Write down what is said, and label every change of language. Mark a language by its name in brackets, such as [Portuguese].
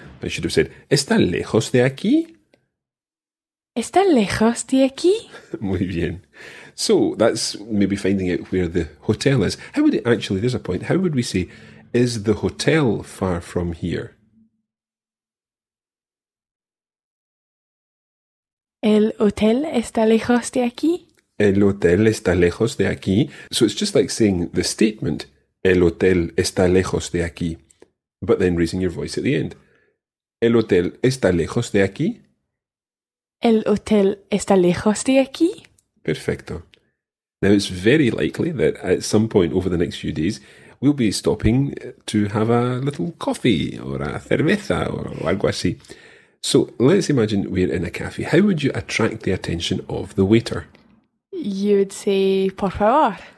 [English] I should have said, [Spanish] está lejos de aquí. ¿Está lejos de aquí? Muy bien. [English] So, that's maybe finding out where the hotel is. How would it actually, there's a point, how would we say, is the hotel far from here? [Spanish] ¿El hotel está lejos de aquí? ¿El hotel está lejos de aquí? [English] So, it's just like saying the statement, [Spanish] el hotel está lejos de aquí, [English] but then raising your voice at the end. [Spanish] ¿El hotel está lejos de aquí? El hotel está lejos de aquí. Perfecto. [English] Now, it's very likely that at some point over the next few days, we'll be stopping to have a little coffee or a cerveza or [Spanish] algo así. [English] So let's imagine we're in a cafe. How would you attract the attention of the waiter? You would say, [Spanish] por favor.